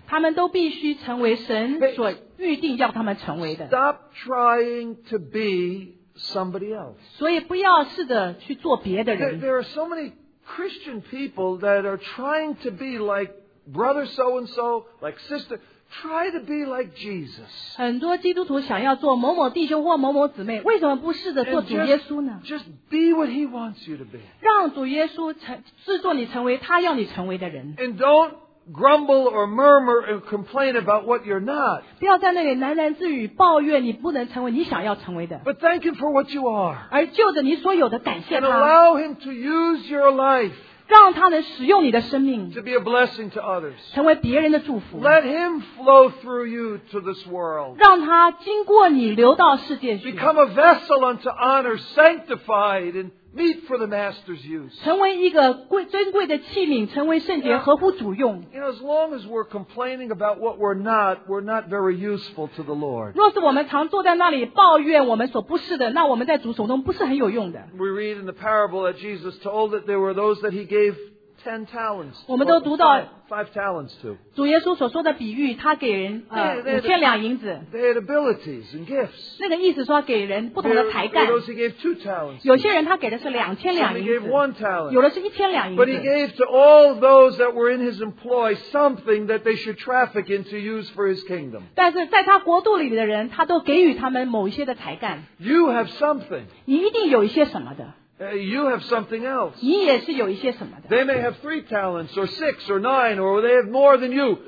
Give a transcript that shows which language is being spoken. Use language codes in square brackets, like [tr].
[zh] 他们都必须成为神所预定要他们成为的。 [en] Stop trying to be somebody else. [zh] 所以不要试着去做别的人。 [en] There are so many Christian people that are trying to be like brother so-and-so, like sister. Try to be like Jesus. [zh] 很多基督徒想要做某某弟兄或某某姊妹，为什么不试着做主耶稣呢？ [en] Just be what he wants you to be. [zh] 让主耶稣制作你成为他要你成为的人。 [en] And don't. Grumble or murmur or complain about what you're not. [zh] 不要在那里喃喃自语抱怨你不能成为你想要成为的。 [en] But thank him for what you are. [zh] 而就着你所有的感谢他。 [en] And allow him to use your life. [zh] 让他能使用你的生命。 [en] To be a blessing to others. [zh] 成为别人的祝福。 [en] Let him flow through you to this world. [zh] 让他经过你流到世界去。 [en] Become a vessel unto honor, sanctified and. Meet for the master's use. [zh] 成为一个尊贵的器皿，成为圣洁，合乎主用。 [en] You know, as long as we're complaining about what we're not very useful to the Lord. [zh] 若是我们常坐在那里抱怨我们所不是的，那我们在主手中不是很有用的。 [en] We read in the parable that Jesus told that there were those that he gave ten talents. [zh] 我们都读到 [en] five talents to. [zh] 主耶稣所说的比喻，他给人 5,000两银子. [en] They had abilities and gifts. [zh] 那个意思说给人不同的才干. [en] Those he gave 2 talents. [zh] 有些人他给的是2,000两银子. [en] Some he gave 1 talent. [zh] 有的是1,000两银子. [en] But he gave to all those that were in his employ something that they should traffic in to use for his kingdom. [zh] 但是在他国度里的人，他都给予他们某一些的才干. [en] You have something. [zh] 你一定有一些什么的. [en] You have something else. They may have 3 talents, or 6, or 9, or they have more than you.